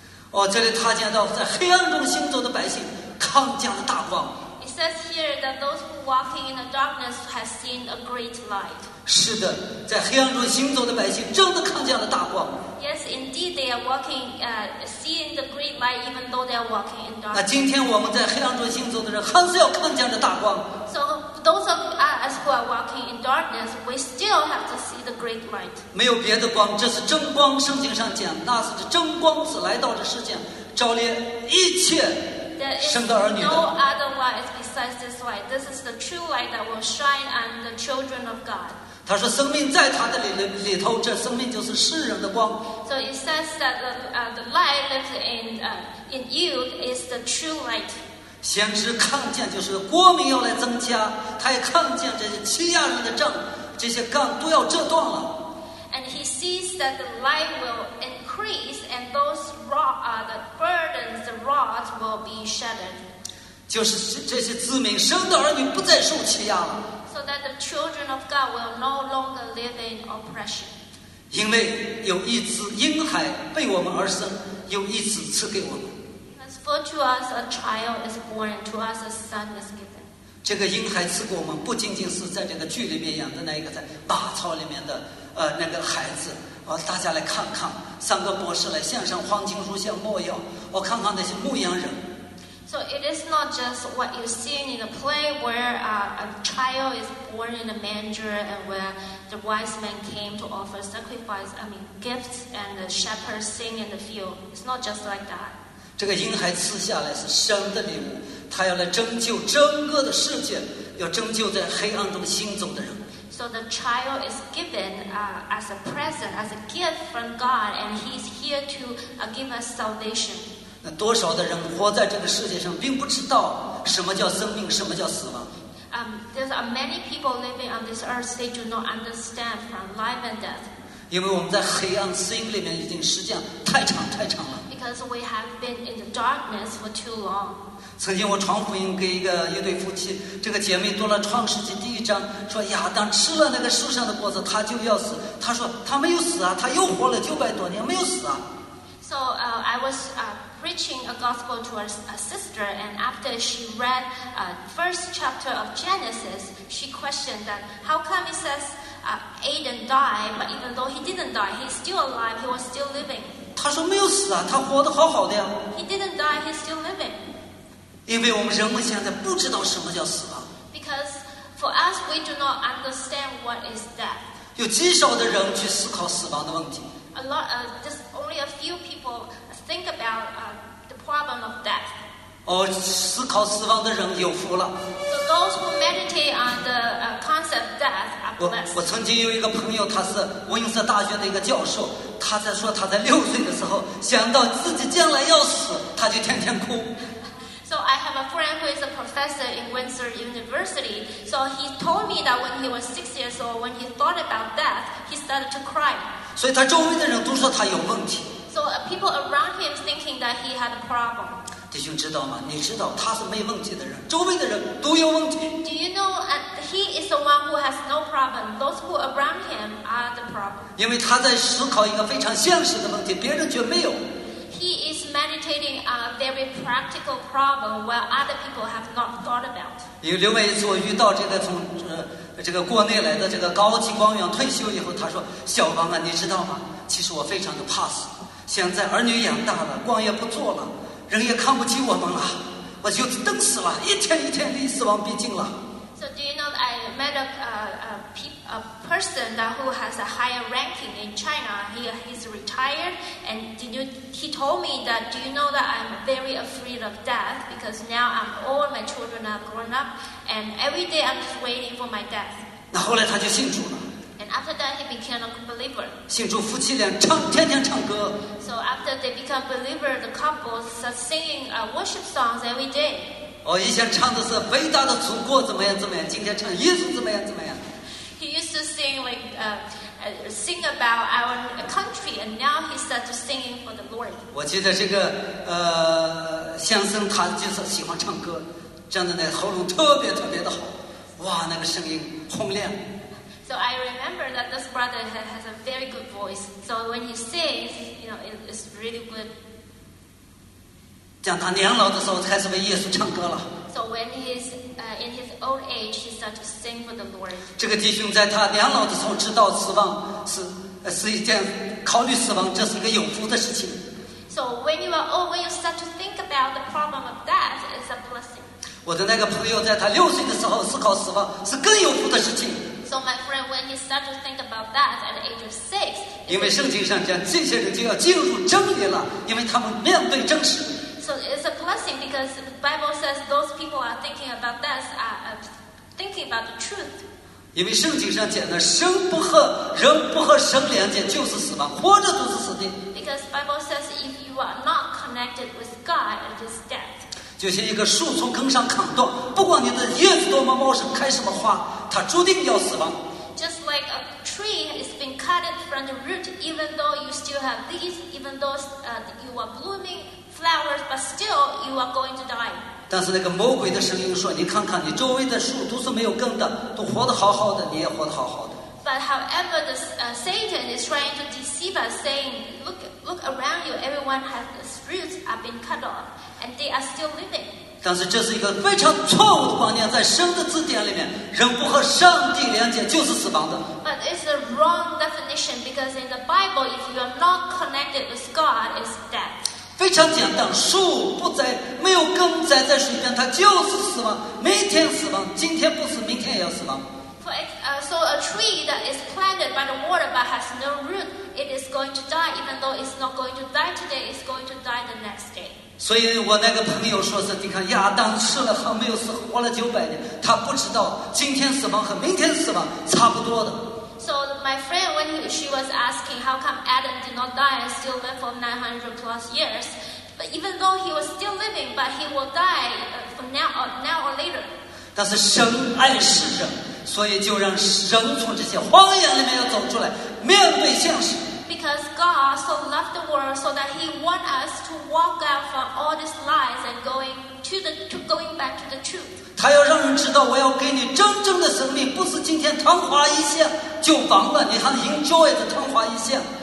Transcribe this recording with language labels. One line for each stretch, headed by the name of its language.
Chinese: 哦，这里他见到在黑暗中行走的百姓看见了大光。
English: It says here that those who walking in the darkness have seen a great light.
Chinese: 是的，在黑暗中行走的百姓真的看见了大光。
English: Yes, indeed, they are walking, seeing the great light, even though they are walking in darkness.
Chinese: 那今天我们在黑暗中行走的人，还是要看见这大光。
English: So those of us who are walking in darkness, we still have to see the great light.
Chinese: 没有别的光，这是真光。圣经上讲，那是这真光是来到这世间，照亮一切生的儿女的。
English: There is no other light besides this light. This is the true light that will shine on the children of God.
Chinese: 他说生命在他的 里头，这生命就是世人的光。
English: So it says that the light lives in you is the true light.
Chinese: 先知看见就是国民要来增加，他也看见这些欺压人的杖，这些杠都要折断了。
English: And he sees that the light will increase and those rod, the burdens, the rods will be shattered.
Chinese: 就是这些子民生的儿女不再受欺压了。
English: So that the children of God will no longer live in oppression.
Chinese: 因为有一子婴孩被我们而生，有一子赐给我们。
English: Because for to us a child is born, to us a son is given.
Chinese: 这个婴孩赐给我们不仅仅是在这个剧里面演的那一个在马槽里面的那个孩子。大家来看看，三个博士来献上黄金乳香没有，我看看那些牧羊人。
English: So it is not just what you see in a play where a child is born in a manger and where the wise men came to offer sacrifice, I mean gifts, and the shepherds sing in the field. It's not just like that.
Chinese: 这个婴孩赐下来是神的礼物，他要来拯救整个的世界，要拯救在黑暗中行走的人。
English: So the child is given as a present, as a gift from God, and he's here to give us salvation.
Chinese: 那多少的人活在这个世界上，并不知道什么叫生命，什么叫死亡。
English: There are many people living on this earth. They do not understand from life and death.
Chinese: 因为我们在黑暗心里面已经时间太长太长了。
English: Because we have been in the darkness for too long.
Chinese: 曾经我传福音给一对夫妻，这个姐妹读了创世纪第一章，说亚当吃了那个树上的果子，他就要死。他说他没有死啊，他又活了900多年，没有死啊。
English: So I was preaching a gospel to a sister, and after she read the first chapter of Genesis, she questioned that how come it says Adam died, but even though he didn't die, he's still alive, he was still living.
Chinese: 他说没有死啊，他活得好好的呀。
English: He didn't die, he's still living.
Chinese: 因为我们人们现在不知道什么叫死亡。
English: Because for us, we do not understand what is death.
Chinese: 有极少的人去思考死亡的问题。
English: A lot, just only a few people think about the problem of death.
Chinese: 哦，思考死亡的人有福了。
English: So those who meditate on the concept of death are blessed.
Chinese: 我曾经有一个朋友，他是温莎大学的一个教授，他在说他在6岁的时候想到自己将来要死，他就天天哭。
English: So I have a friend who is a professor in Windsor University. So he told me that when he was 6 years old, when he thought about death, he started to cry.
Chinese: 所以他周围的人都说他有问题。
English: So people around him thinking that he had a problem.
Chinese: 弟兄知道吗？你知道他是没问题的人，周围的人都有问题。
English: Do you know he is the one who has no problem? Those who around him are the problem.
Chinese: 因为他在思考一个非常现实的问题，别人却没有。
English: He is meditating a very practical problem where other people have not thought about.
Chinese: 有另外一次我遇到这个从这个国内来的这个高级官员退休以后，他说：“小王啊，你知道吗？其实我非常的怕死。现在儿女养大了，官也不做了，人也看不起我们了，我就等死了，一天一天离死亡逼近了。”
English: So do you know I met a person that who has a higher ranking in China? He's retired, and he told me that do you know that I'm very afraid of death because now I'm old, my children are grown up, and every day I'm just waiting for my death.
Chinese: 那后来他就信主了。
English: And after that, he became a believer.
Chinese: 信主夫妻俩唱，天天唱歌。
English: So after they become believer, the couple start singing worship songs every day.
Chinese: 哦，以前唱的是伟大的祖国怎么样怎么样，今天唱耶稣怎么样怎么样。
English: He used to sing sing about our country, and now he starts singing for the Lord.
Chinese: 我记得这个先生他就是喜欢唱歌，真的那喉咙特别特别的好，哇，那个声音洪亮。
English: So I remember that this brother has a very good voice. So when he sings, you know, it's really good.
Chinese: 讲他年老的时候开始为耶稣唱歌了。
English: So when he's in his old age, he starts to sing for the Lord.
Chinese: 这个弟兄在他年老的时候知道死亡是一件考虑死亡，这是一个有福的事情。
English: So when you are old, when you start to think about the problem of death, it's a blessing.
Chinese: 我的那个朋友在他六岁的时候思考死亡是更有福的事情。
English: So my friend, when he started to think about that at the age of six,
Chinese: 因为圣经上讲这些人就要进入真理了，因为他们面对真实。
English: So it's a blessing because the Bible says those people are thinking about death, are thinking about the truth.
Chinese: 因为圣经上讲的生不和人不和神连接就是死亡，活着都是死地。
English: Because the Bible says if you are not connected with God, it is death.
Chinese: 就像一个树从根上砍断，不管你的叶子多么茂盛，开什么花，它注定要死亡。
English: Just like a tree has been cut from the root, even though you still have leaves, even though you are blooming flowers, but still you are going to die.
Chinese: 但是那个魔鬼的声音说：“你看看，你周围的树都是没有根的，都活得好好的，你也活得好好的。”
English: But however, the Satan is trying to deceive us, saying, "Look around you. Everyone has roots are being cut off, and they are still living."
Chinese: 但是这是一个非常错误的观念，在神的字典里面，人不和上帝连接就是死亡的。
English: But it's the wrong definition because in the Bible, if you are not connected with God, it's death.
Chinese: 非常简单，树不栽，没有根栽在水边，它就是死亡，每天死亡，今天不死，明天也要死亡。
English: So a tree that is planted by the water but has no root, it is going to die. Even though it's not going to die today, it's going to die the next day.
Chinese: 所以我那个朋友说是，你看亚当吃了好没有死，活了900年，他不知道今天死亡和明天死亡差不多的。
English: So my friend, when she was asking how come Adam did not die and still live for 900 plus years, but even though he was still living, but he will die from now or later.
Chinese: 但是神爱世人，所以就让人从这些荒野里面要走出来，面对现实。
English: Because God so loved the world so that he want us to walk out from all these lies and going back to the truth.
Chinese: 他要让人知道我要给你真正的生命，不是今天昙花一现就完了，你还
English: enjoy
Chinese: 的昙花一现。